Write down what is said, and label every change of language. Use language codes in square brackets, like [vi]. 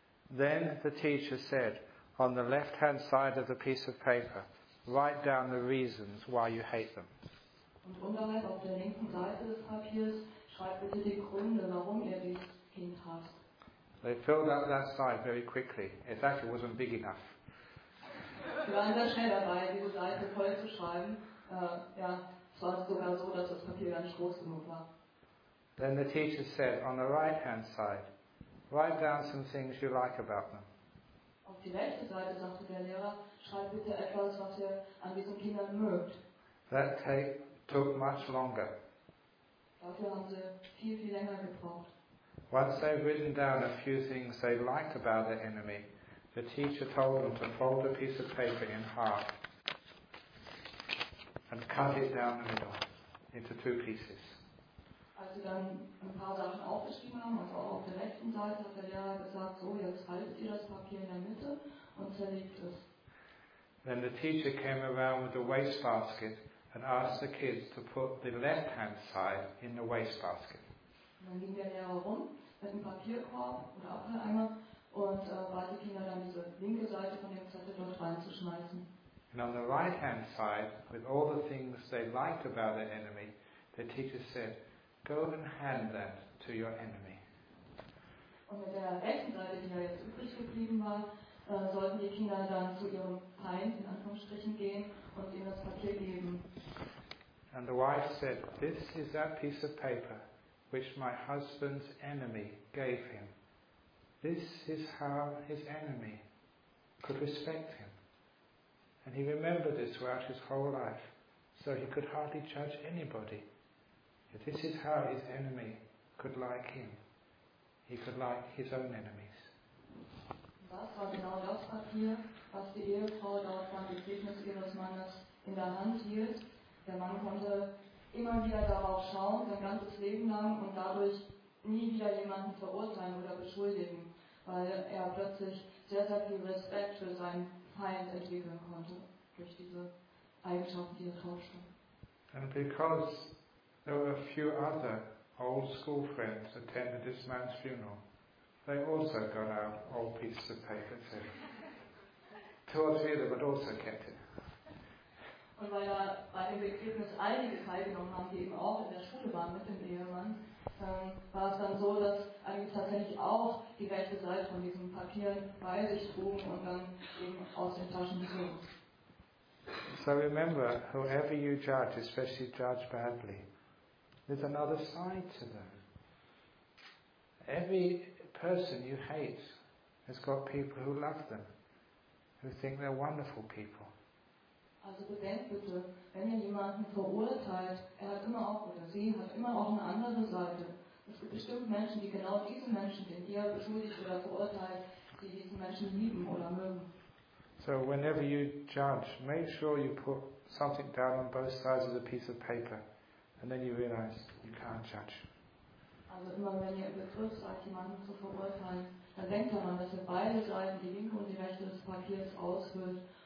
[en] Then the teacher said, on the left-hand side of the piece of paper, write down the reasons why you hate them. [de] Und unterhalb auf der linken Seite des Papiers Schreibt bitte die Gründe, warum ihr dieses Kind hast. [en] They filled up that side very quickly. In fact, it wasn't big enough. [de] Sie waren sehr schnell dabei, diese Seite voll zu schreiben. Ja, es war sogar so, dass das Papier gar nicht groß genug war. [en] Then the teacher said, on the right hand side, write down some things you like about them. [de] Auf die rechte Seite, sagte der Lehrer, schreib bitte etwas, was ihr an diesen Kindern mögt. [en] That took much longer. [de] Dafür haben sie viel, viel länger gebraucht. [en] Once they've written down a few things they liked about their enemy, the teacher told them to fold a piece of paper in half and cut it down the middle into two pieces. [de] Als sie dann ein paar Sachen aufgeschrieben haben, also auch auf der rechten Seite, hat der Lehrer gesagt, so, jetzt haltet ihr das Papier in der Mitte und zerlegt es. [en] Then the teacher came around with a waste basket and asked the kids to put the left-hand side in the waste basket. [de] Dann ging der Lehrer rum mit einem Papierkorb oder Abfalleimer und bat die Kinder dann diese linke Seite von dem Zettel dort reinzuschmeißen. [en] And on the right-hand side, with all the things they liked about their enemy, the teacher said, go and hand that to your enemy. [de] Und mit der rechten Seite, die ja jetzt übrig geblieben war, sollten die Kinder dann zu ihrem Feind, in Anführungsstrichen, gehen und ihm das Papier geben. [en] And the wife said, this is that piece of paper which my husband's enemy gave him. This is how his enemy could respect him. And he remembered this throughout his whole life, so he could hardly judge anybody. If this is how his enemy could like him, he could like his own enemies. [de] Das war genau das Papier, was die Ehefrau dort von dem Gegner ihres Mannes in der Hand hielt. Der Mann konnte immer wieder darauf schauen, sein ganzes Leben lang, und dadurch nie wieder jemanden verurteilen oder beschuldigen, weil er plötzlich sehr, sehr viel Respekt für seinen Feind entwickeln konnte, durch diese Eigenschaften, die er tauschte. [en] And because there were a few other old school friends attended this man's funeral, they also got out old pieces of paper too. Two or three of them had also kept it. [de] Und weil bei dem Begräbnis einige teilgenommen haben, die eben auch in der Schule waren mit dem Ehemann, war es dann so, dass eigentlich tatsächlich auch die rechte Seite von diesen Papieren bei sich trugen und dann eben aus den Taschen zogen. [en] So remember, whoever you judge, especially judge badly, there's another side to them. Every person you hate has got people who love them, who think they're wonderful people. [de] Also bedenkt bitte, wenn ihr jemanden verurteilt, er hat immer auch, oder sie hat immer auch eine andere Seite. Es gibt bestimmt Menschen, die genau diesen Menschen, den ihr beschuldigt oder verurteilt, die diesen Menschen lieben oder mögen. [en] So whenever you judge, make sure you put something down on both sides of the piece of paper, and then you realize you can't judge. [de] Also immer wenn ihr im Begriff seid, jemanden zu verurteilen, dann denkt daran, dass ihr beide Seiten, die linke und die rechte des Papiers, ausfüllt.